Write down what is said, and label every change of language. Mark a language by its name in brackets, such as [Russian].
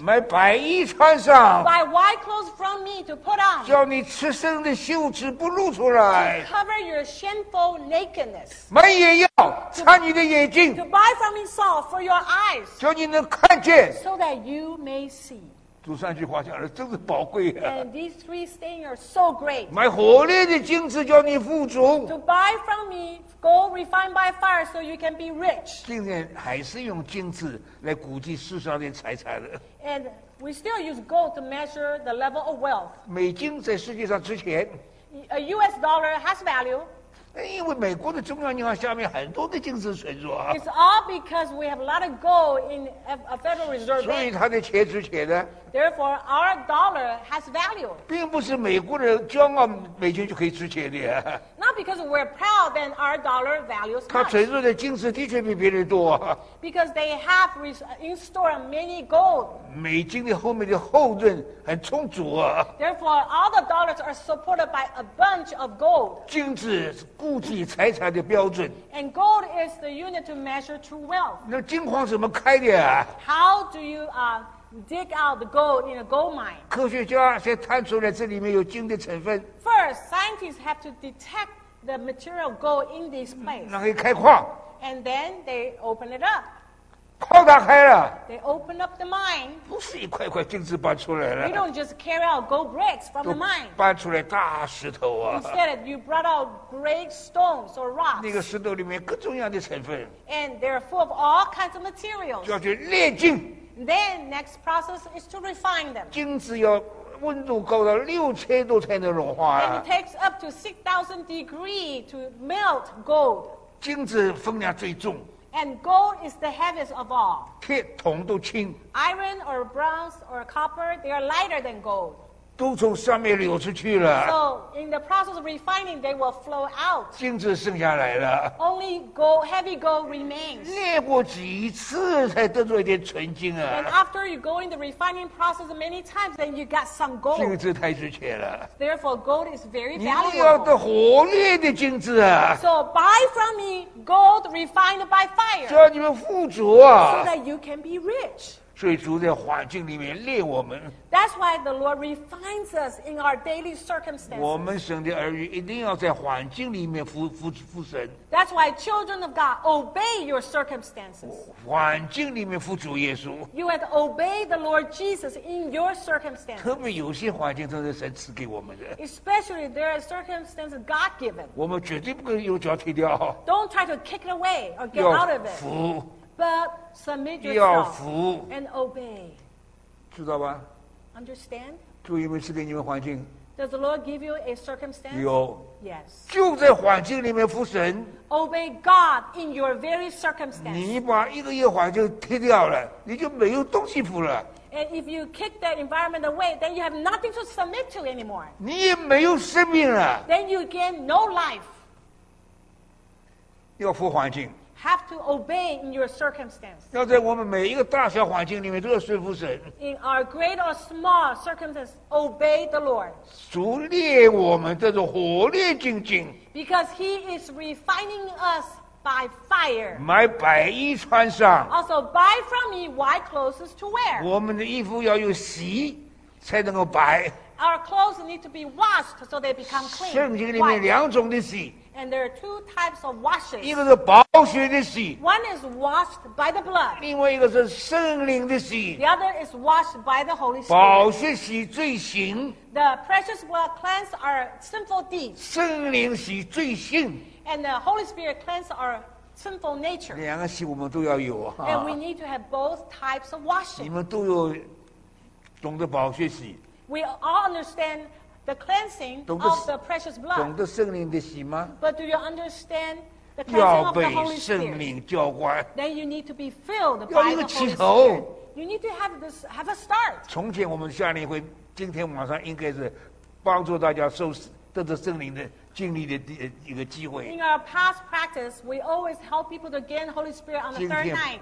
[Chinese] 买白衣穿上。 [English] Buy white clothes from me to put on. [Chinese] 叫你赤身的羞耻不露出来。 [English] To cover your shameful nakedness. [Chinese] 买眼药擦你的眼睛。 [English] To buy from me salt for your eyes. [Chinese] 叫你能看见。 [English] So that you may see. [Chinese] 主三句话讲的真是宝贵啊。 [English] And these three things are so great. [Chinese] 买火烈的金子叫你富足。 [English] To buy from me gold refined by fire so you can be rich. [Chinese] 今天还是用金子来估计世上的财产的。 [English] And we still use gold to measure the level of wealth. [Chinese] 美金在世界上值钱。 [English] A US dollar has value. [Chinese] 因为美国的中央银行下面很多的金子存着啊。 [English] It's all because we have a lot of gold in a Federal Reserve Bank. [Chinese] 所以它的钱值钱的。 [English] Therefore, our dollar has value. [Chinese] 并不是美国人骄傲美金就可以值钱的。 [English] Not because we're proud, then our dollar values much. [Chinese] 它存着的金子的确比别人多。 [English] Because they have in store many gold. [Chinese] 美金的后面的后盾很充足啊。 [English] Therefore, all the dollars are supported by a bunch of gold. [Chinese] 金子估计财产的标准。 [English] And gold is the unit to measure true wealth. [Chinese] 那金矿怎么开的啊？ [English] How do you dig out the gold in a gold mine? [Chinese] 科学家先探出来这里面有金的成分。 [English] First, scientists have to detect the material gold in this place. [Chinese] 然后开矿。 [English] And then they open it up. [Chinese] 矿打开了。 [English] They open up the mine. [Chinese] 不是一块块金子搬出来了。 [English] You don't just carry out gold bricks from the mine. [Chinese] 搬出来大石头啊。 [English] Instead, you brought out great stones or rocks. [Chinese] 那个石头里面各种样的成分。 [English] And they're full of all kinds of materials. [Chinese] 叫去炼金。 [English] Then next process is to refine them. [Chinese] 金子要温度高到6000度才能融化。 [English] And it takes up to 6000 degrees to melt gold. [Chinese] 金子分量最重。 [English] And gold is the heaviest of all. [Chinese] 铁铜都轻。 [English] Iron or bronze or copper, they are lighter than gold. [Chinese] 都从上面流出去了。 [English] So in the process of refining, they will flow out. [Chinese] 金子剩下来了。 [English] Only gold, heavy gold remains. [Chinese] 炼过几次才得出一点纯金啊。 [English] And after you go in the refining process many times, then you get some gold. [Chinese] 金子太值钱了。 [English] Therefore, gold is very valuable. [Chinese] 你要的火炼的金子啊。 [English] So buy from me gold refined by fire. [Chinese] 叫你们富足啊。 [English] So that you can be rich. [Chinese] 所以主在环境里面炼我们。 [English] That's why the Lord refines us in our daily circumstances. [Chinese] 我们神的儿女一定要在环境里面服神。 [English] That's why children of God obey your circumstances. [Chinese] 环境里面服主耶稣。 [English] You have to obey the Lord Jesus in your circumstances. [Chinese] 特别有些环境都是神赐给我们的。 [English] Especially there are circumstances God given. [Chinese] 我们绝对不可以用脚踢掉。 [English] Don't try to kick it away or get out of it. [Chinese] 要服。 [English] But submit yourself and obey. [Chinese] 知道吧 [English] ？Understand. [Chinese] 主有没有赐给你们环境 [English] ？Does the Lord give you a circumstance? [Chinese] 有。 [English] Yes. [Chinese] 就在环境里面服神。 [English] Obey God in your very circumstance. [Chinese] 你把一个月环境踢掉了，你就没有东西服了。 [English] And if you kick that environment away, then you have nothing to submit to anymore. [Chinese] 你也没有生命了。 [English] Then you gain no life. [Chinese] 要服环境。 [English] Have to obey in your circumstance. [Chinese] 要在我们每一个大小环境里面都要顺服神。 [English] In our great or small circumstances, obey the Lord. [Chinese] 主炼我们，这是火炼金晶。 [English] Because He is refining us by fire. [Chinese] 买白衣穿上。 [English] Also, buy from me white clothes to wear. [Chinese] 我们的衣服要有洗，才能够白。 [English] Our clothes need to be washed so they become clean. [Chinese] 圣经里面两种的洗。 [English] And there are two types of washes. [Chinese] 一个是宝血的洗。 [English] One is washed by the blood. [Chinese] 另外一个是圣灵的洗。 [English] The other is washed by the Holy Spirit. [Chinese] 宝血洗罪行。 [English] The precious blood cleanses our sinful deeds. [Chinese] 圣灵洗罪性。 [English] And the Holy Spirit cleanses our sinful nature. [Chinese] 两个洗我们都要有啊。 [English] And we need to have both types of washing. [Chinese] 你们都有懂得宝血洗。 [English] We all understand the cleansing of the precious blood. [Chinese] 懂得圣灵的洗吗？ [English] But do you understand the cleansing of the Holy Spirit? [Chinese] 要被圣灵浇灌。 [English] Then you need to be filled by the Holy Spirit. [Chinese] 要一个起头。 [English] You need to have this, have a start. [Chinese] 从前我们夏令会，今天晚上应该是帮助大家受得到圣灵的经历的一个机会。 [English] In our past practice, we always help people to gain Holy Spirit on the third night.